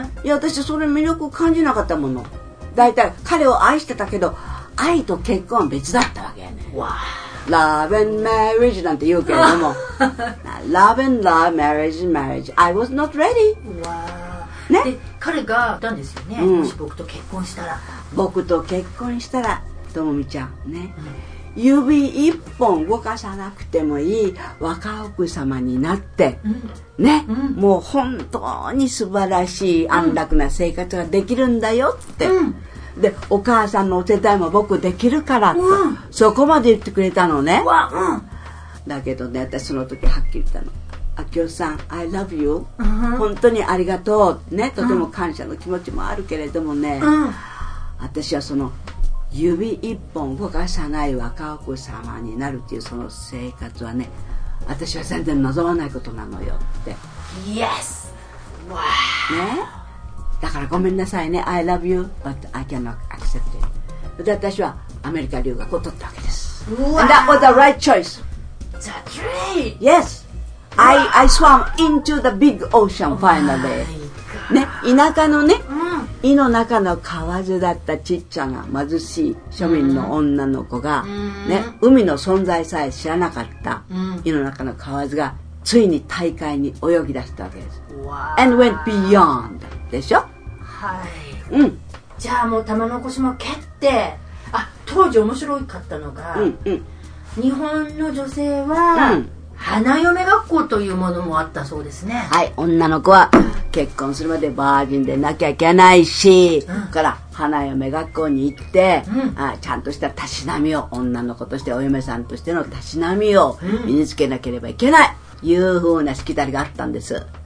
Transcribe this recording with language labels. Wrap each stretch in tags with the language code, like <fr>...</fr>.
<ja>いや私それ魅力感じなかったもの、だいたい彼を愛してたけど愛と結婚は別だったわけやね。わ</ja> <en>ー、 Love and marriage</en> <ja>なんて言うけれども</ja> <en>Love and love, marriage and marriage, I was not ready。</en> <ja>わー、ね、で彼が言ったんですよね、もし僕と結婚したら、僕と結婚したらともみちゃんね、うん、指一本動かさなくてもいい若奥様になって、うん、ね、うん、もう本当に素晴らしい安楽な生活ができるんだよって、うん、でお母さんのお手伝いも僕できるからって、うん、そこまで言ってくれたのね。うわ、うん、だけどね、私その時はっきり言ったの、あきおさん</ja> <en>I love you、</en> <ja>うん、本当にありがとうね、とても感謝の気持ちもあるけれどもね、うん、私はその指一本動かさない若奥様になるっていうその生活はね、私は全然望まないことなのよって。</ja> <en>Yes! わー、</en> <ja>ね、だからごめんなさいね、</ja> <en>I love you but I cannot accept it。</en> <ja>で私はアメリカ留学を取ったわけです。</ja> <en>Wow! And that was the right choice. The dream! Yes! I swam into the big ocean finally、 oh、</en> <ja>ね、田舎のね、うん、胃の中の蛙だったちっちゃな貧しい庶民の女の子が、ね、海の存在さえ知らなかった胃の中の蛙がついに大海に泳ぎ出したわけです。</ja> <en>わ And went beyond</en> <ja>でしょ。はい、うん、じゃあもう玉の腰も蹴って、あ、当時面白かったのが、うんうん、日本の女性は、うん、花嫁学校というものもあったそうですね。はい、女の子は結婚するまでバージンでなきゃいけないし、うん、ここから花嫁学校に行って、うん、あ、ちゃんとしたたしなみを、女の子としてお嫁さんとしてのたしなみを身につけなければいけない、いうふうなしきたりがあったんです。</ja>